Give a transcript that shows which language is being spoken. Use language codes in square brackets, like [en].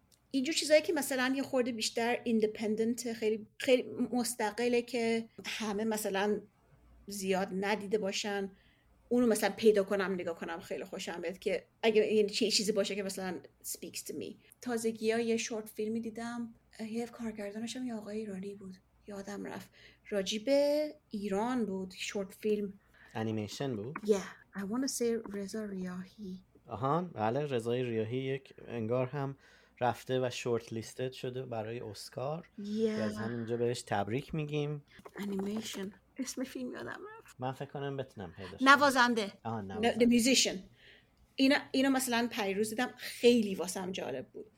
[fa] اینجور چیزایی که مثلا یه خورده بیشتر ایندیپندنت، خیلی خیلی مستقله که همه مثلا زیاد ندیده باشن، اونو مثلا پیدا کنم نگاه کنم خیلی خوشم بیاد، که اگه این چیزی باشه که مثلا [en] speaks to me. [fa] تازگی ها یه شورت فیلمی دیدم، یه کارگردانش هم یه آقای ایرانی بود، یادم رفت، راجب ایران بود، شورت فیلم انیمیشن بود. [en] Yeah, I want to say رضا ریاهی. [fa] آهان، بله، رضای ریاهی یک انگار هم رفته و شورت لیستد شده برای اسکار. [en] Yeah. [fa] از همینجا بهش تبریک میگیم. انیمیشن اسم فیلم یادم رفت. من فکر کنم بتونم پیداش. نوازنده. آه نوازنده. [en] The musician. [fa] اینا مثلا پیروز دیدم خیلی واسم جالب بود.